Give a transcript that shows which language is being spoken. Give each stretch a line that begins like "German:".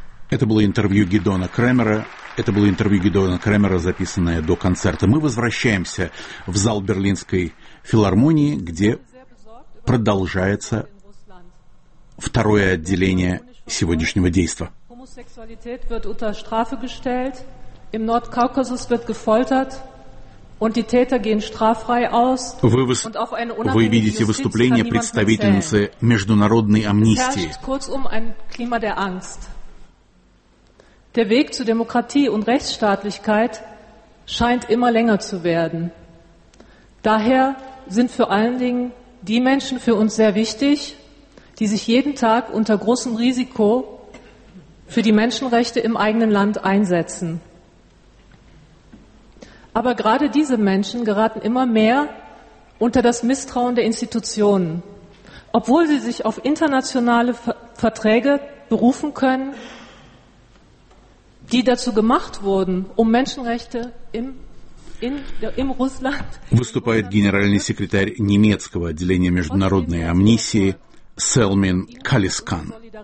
Russian: Это было интервью Гидона Крэмера, записанное до концерта. Мы возвращаемся в зал Берлинской филармонии, где продолжается второе отделение сегодняшнего действа.
German: Homosexualität wird unter Strafe gestellt. Im Nordkaukasus wird gefoltert und die Täter gehen straffrei aus.
Russian: Вы видите выступление представительницы международной амнистии.
German: Kurzum ein Klima der Angst. Der Weg zu Demokratie und Rechtsstaatlichkeit scheint immer länger zu werden. Daher sind vor allen Dingen die Menschen für uns sehr wichtig, die sich jeden Tag unter großem Risiko für die Menschenrechte im eigenen Land einsetzen. Aber gerade diese Menschen geraten immer mehr unter das Misstrauen der Institutionen, obwohl sie sich auf internationale Verträge berufen können, die dazu gemacht wurden, um Menschenrechte im Russland.
Russian: Выступает генеральный секретарь немецкого отделения международной амнистии Селмин Калискан.